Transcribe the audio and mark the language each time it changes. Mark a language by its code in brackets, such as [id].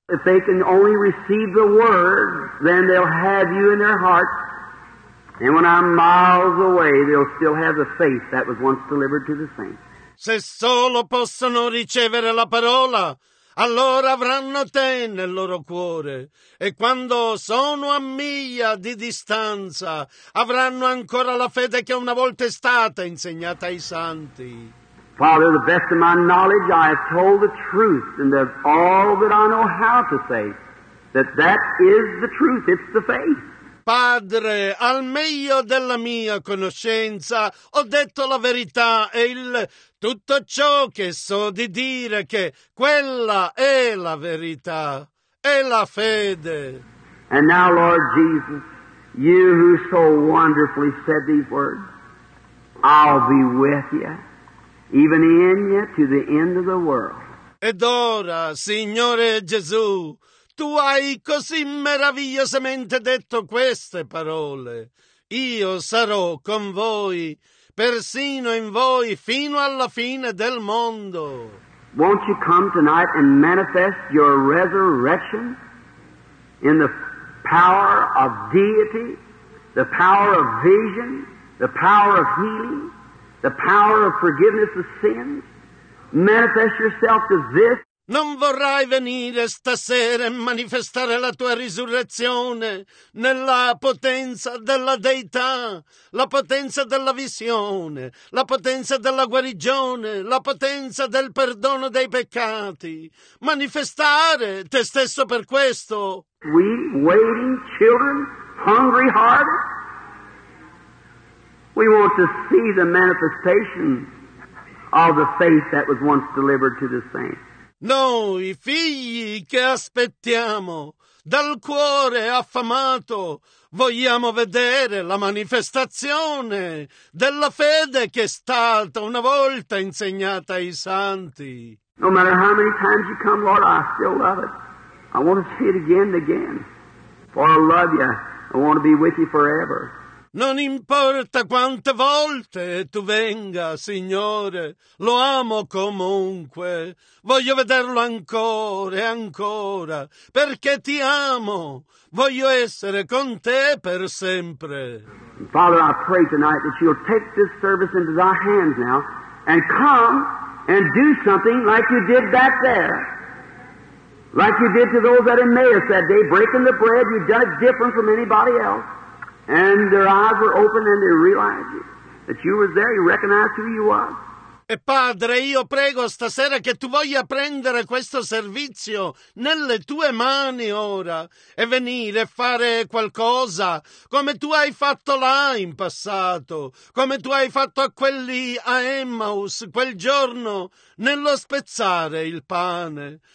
[en] If they can only receive the word, then they'll have you in their heart. And when I'm miles away, they'll still have the faith that was once delivered to the saints. [it] Se solo possono ricevere la parola, allora avranno te nel loro cuore. E quando sono a miglia di distanza, avranno ancora la fede che una volta è stata insegnata ai santi. [en] Father, the best of my knowledge, I have told the truth, and that all that I know how to say, that is the truth, it's the faith. [it] Padre, al meglio della mia conoscenza, ho detto la verità e il tutto ciò che so di dire che quella è la verità, è la fede. [en] And now, Lord Jesus, you who so wonderfully said these words, I'll be with you, even in you, to the end of the world. [it] Ed ora, Signore Gesù, tu hai così meravigliosamente detto queste parole. Io sarò con voi, persino in voi, fino alla fine del mondo. [en] Won't you come tonight and manifest your resurrection in the power of deity, the power of vision, the power of healing, the power of forgiveness of sins? Manifest yourself to this. [it] Non vorrai venire stasera e manifestare la tua risurrezione nella potenza della Deità, la potenza della visione, la potenza della guarigione, la potenza del perdono dei peccati. Manifestare te stesso per questo. [en] We waiting children, hungry hearted. We want to see the manifestation of the faith that was once delivered to the saints. [it] Noi figli che aspettiamo, dal cuore affamato, vogliamo vedere la manifestazione della fede che è stata una volta insegnata ai santi. [en] No matter how many times you come, Lord, I still love it. I want to see it again and again. For I love you. I want to be with you forever. [it] Non importa quante volte tu venga, Signore, lo amo comunque. Voglio vederlo ancora e ancora, perché ti amo. Voglio essere con te per sempre. [en] And Father, I pray tonight that you'll take this service into thy hands now and come and do something like you did back there. Like you did to those at Emmaus that day, breaking the bread. You've done it different from anybody else. And their eyes were open and they realized you, that you were there. You recognized who you were. [it] E Padre, io prego stasera che tu voglia prendere questo servizio nelle tue mani ora e venire a fare qualcosa come tu hai fatto là in passato, come tu hai fatto a quelli a Emmaus quel giorno nello spezzare il pane.